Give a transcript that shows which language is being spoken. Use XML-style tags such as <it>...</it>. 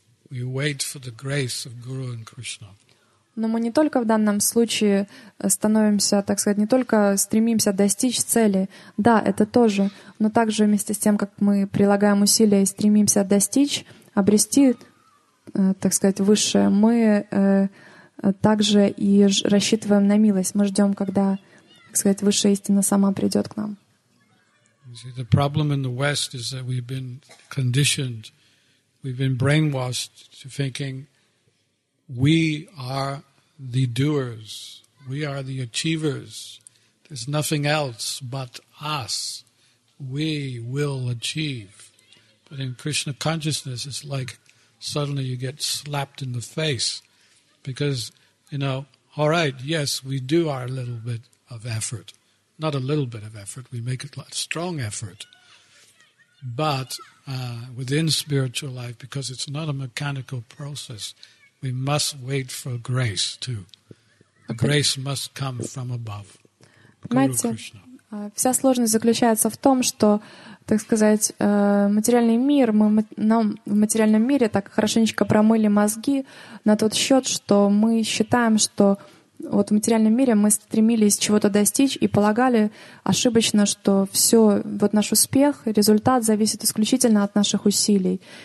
<en>We wait for the grace of Guru and Krishna.</en> <ru>Но мы не только в данном случае становимся, так сказать, не только стремимся достичь цели. Да, это тоже. Но также вместе с тем, как мы прилагаем усилия и стремимся достичь, обрести, так сказать, высшее, мы также и рассчитываем на милость. Мы ждем, когда, так сказать, высшая истина сама придет к нам.</ru> <en>See, the problem in the West is that we've been conditioned, we've been brainwashed to thinking we are the doers, we are the achievers. There's nothing else but us. We will achieve. But in Krishna consciousness, it's like suddenly you get slapped in the face because, you know, all right, yes, we do our little bit of effort. Not a little bit of effort, we make it a strong effort. But within spiritual life, because it's not a mechanical process, we must wait for grace too. The grace must come from above.</en> <ru>Понимаете, вся сложность заключается в том, что, так сказать, материальный мир, нам в материальном мире так хорошенечко промыли мозги на тот счет, что мы считаем, что вот в материальном мире мы стремились чего-то достичь и полагали ошибочно, что все, вот наш успех, результат зависит исключительно от наших усилий.</ru>